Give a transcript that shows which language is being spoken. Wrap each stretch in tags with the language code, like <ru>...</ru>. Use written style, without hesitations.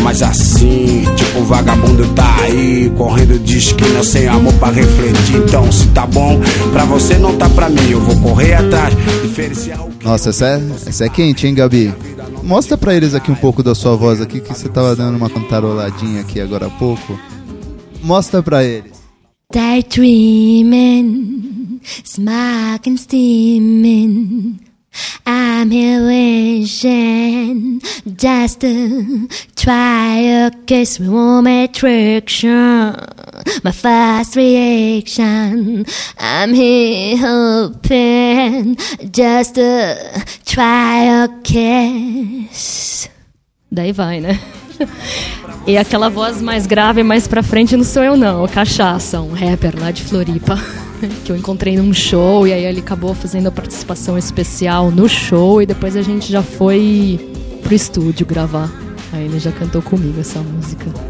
<pt>Mas assim, tipo vagabundo tá aí, correndo de esquina sem amor pra refletir. Então se tá bom pra você, não tá pra mim. Eu vou correr atrás, diferenciar o que... Nossa, essa é quente, hein, Gabi? Mostra pra eles aqui um pouco da sua voz aqui, que você tava dando uma cantaroladinha aqui agora há pouco. Mostra pra eles.</pt> <en>Daydreaming, smoking, steaming, I'm here wishing just to try a kiss with warm attraction. My first reaction, I'm here hoping just to try a kiss.</en> <pt>Daí vai, né? E aquela voz mais grave, mais pra frente, não sou eu não, o Cachaça, um rapper lá de Floripa, que eu encontrei num show, e aí ele acabou fazendo a participação especial no show, e depois a gente já foi pro estúdio gravar. Aí ele já cantou comigo essa música.</pt>